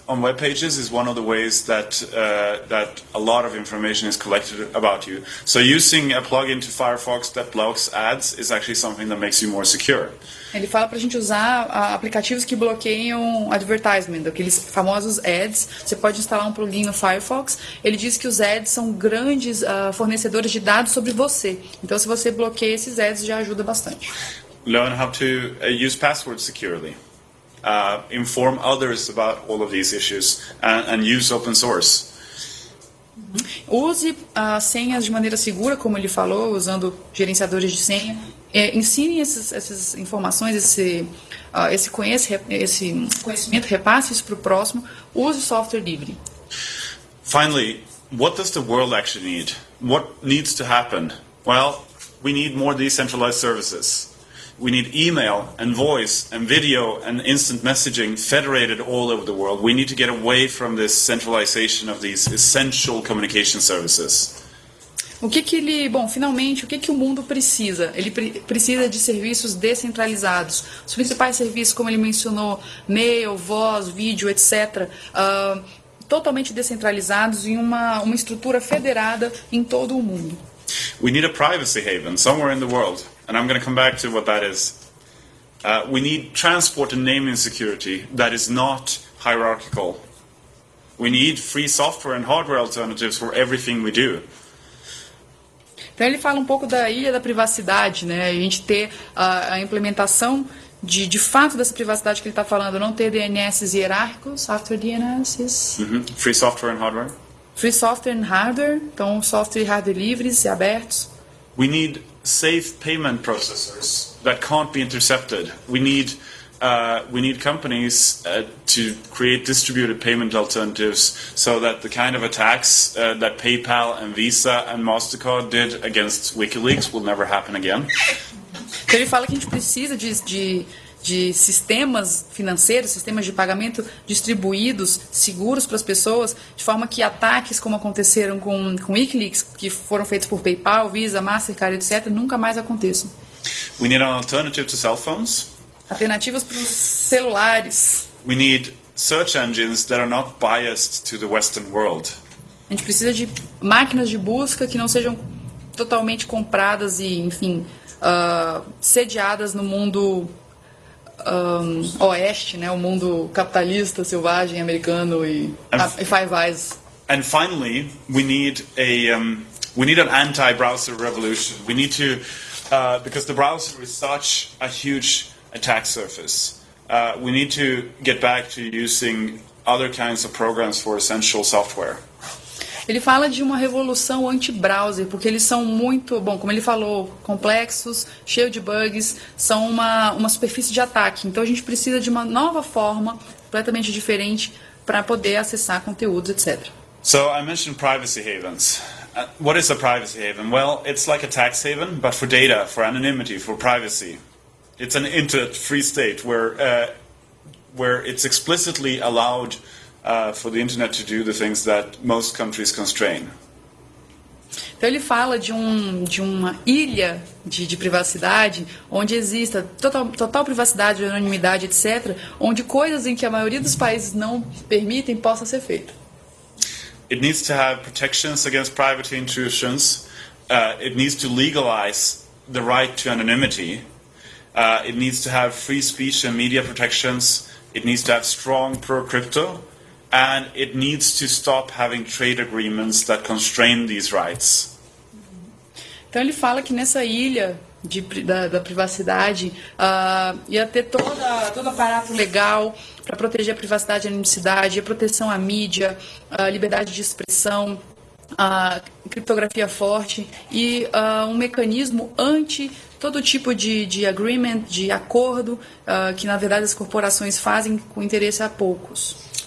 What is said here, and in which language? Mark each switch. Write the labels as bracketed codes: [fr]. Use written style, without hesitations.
[en] on web pages is one of the ways that that a lot of information is collected about you. So using a plugin to Firefox that blocks ads is actually something that makes you more secure. [pt] Ele fala para a gente usar aplicativos que bloqueiam advertisement, aqueles famosos ads. Você pode instalar um plugin no Firefox. Ele diz que os ads são grandes fornecedores de dados sobre você. Então, se você bloqueia esses ads, já ajuda bastante. [en] Learn how to use passwords securely. Inform others about all of these issues and use open source. [pt] Use senhas de maneira segura, como ele falou, usando gerenciadores de senha. Ensine essas informações, esse conhecimento, repasse isso para o próximo. Use software livre. [en] Finally, what does the world actually need? What needs to happen? Well, we need more decentralized services. We need email and voice and video and instant messaging federated all over the world. We need to get away from this centralization of these essential communication services. [pt] O que o mundo precisa? Ele precisa de serviços descentralizados. Os principais serviços, como ele mencionou, mail, voz, vídeo, etc., totalmente descentralizados em uma estrutura federada em todo o mundo. [en] We need a privacy haven somewhere in the world. And I'm going to come back to what that is. We need transport and naming security that is not hierarchical. We need free software and hardware alternatives for everything we do. [pt] Então ele fala um pouco da ilha da privacidade, né? A gente ter a implementação de fato dessa privacidade que ele está falando, não ter DNSs hierárquicos, software DNSs. [en] Mm-hmm. Free software and hardware. Free software and hardware, [pt] então software e hardware livres e abertos. [en] We need safe payment processors that can't be intercepted. We need companies to create distributed payment alternatives so that the kind of attacks that PayPal and Visa and MasterCard did against WikiLeaks will never happen again. [pt] Então ele fala que a gente precisa de sistemas financeiros, sistemas de pagamento distribuídos, seguros para as pessoas, de forma que ataques como aconteceram com WikiLeaks, que foram feitos por PayPal, Visa, MasterCard, etc., nunca mais aconteçam. [en] We need an alternative to cell phones. [pt] Alternativas para os celulares. [en] We need search engines that are not biased to the Western world. [pt] A gente precisa de máquinas de busca que não sejam totalmente compradas e, enfim, sediadas no mundo oeste, né? O mundo capitalista, selvagem, americano e Five Eyes. [en] And finally, we need an anti-browser revolution. We need to, because the browser is such a huge attack surface. We need to get back to using other kinds of programs for essential software. [pt] Ele fala de uma revolução anti-browser, porque eles são muito, bom, como ele falou, complexos, cheio de bugs, são uma superfície de ataque. Então a gente precisa de uma nova forma, completamente diferente, para poder acessar conteúdos, etc. [en] So I mentioned privacy havens. What is a privacy haven? Well, it's like a tax haven, but for data, for anonymity, for privacy. It's an internet-free state where it's explicitly allowed for the internet to do the things that most countries constrain. [pt] Então ele fala de uma ilha de privacidade onde exista total privacidade, anonimidade, etc., onde coisas em que a maioria dos países não permitem possam ser feitas. [en] It needs to have protections against private intrusions. It needs to legalize the right to anonymity. It needs to have free speech and media protections. It needs to have strong pro-crypto. And it needs to stop having trade agreements that constrain these rights. [pt] Então ele fala que nessa ilha da privacidade ia ter todo aparato legal para proteger a privacidade e a anonimidade, a proteção à mídia, a liberdade de expressão, a criptografia forte e um mecanismo anti todo tipo de agreement, de acordo que na verdade as corporações fazem com interesse a poucos.